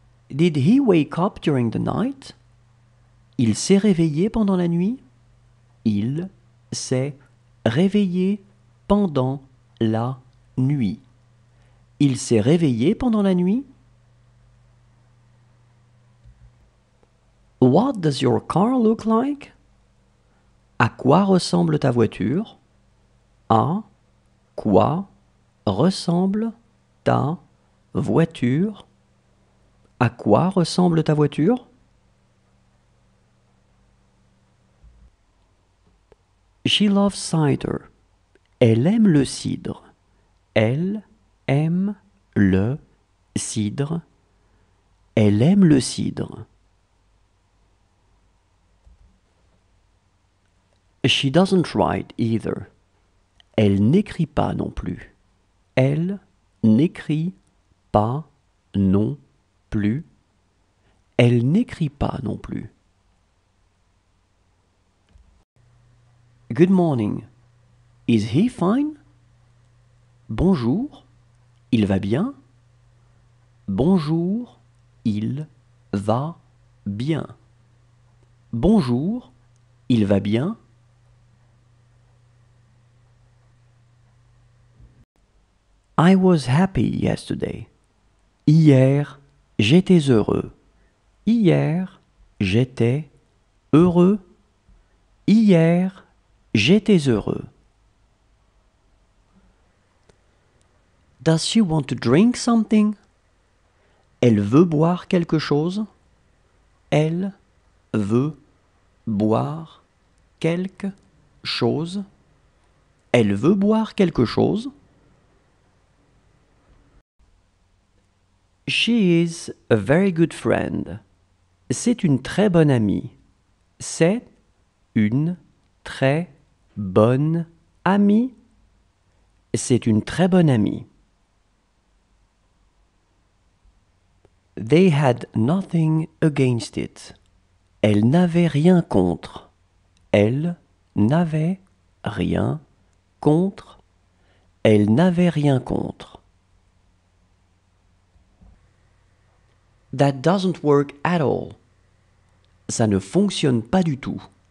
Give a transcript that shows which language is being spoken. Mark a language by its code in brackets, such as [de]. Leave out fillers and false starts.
[en] Did he wake up during the night? [fr] Il s'est réveillé pendant la nuit. Il s'est réveillé pendant la nuit. Il s'est réveillé pendant la nuit. [en] What does your car look like? [fr] À quoi ressemble ta voiture? À quoi ressemble ta voiture? À quoi ressemble ta voiture? [en] She loves cider. [fr] Elle aime le cidre. Elle aime le cidre. Elle aime le cidre. [en] She doesn't write either. [fr] Elle n'écrit pas non plus. Elle n'écrit pas non plus. Elle n'écrit pas non plus. [en] Good morning. Is he fine? [fr] Bonjour. Il va bien? Bonjour. Il va bien. Bonjour. Il va bien? [en] I was happy yesterday. [fr] Hier, j'étais heureux. Hier, j'étais heureux. Hier, j'étais heureux. [en] Does she want to drink something? [fr] Elle veut boire quelque chose? Elle veut boire quelque chose? Elle veut boire quelque chose? [en] She is a very good friend. [fr] C'est une très bonne amie. C'est une très bonne amie. C'est une très bonne amie. [en] They had nothing against it. [fr] Elle n'avait rien contre. Elle n'avait rien contre. Elle n'avait rien contre. [en] That doesn't work at all. [fr] Ça ne fonctionne pas du tout.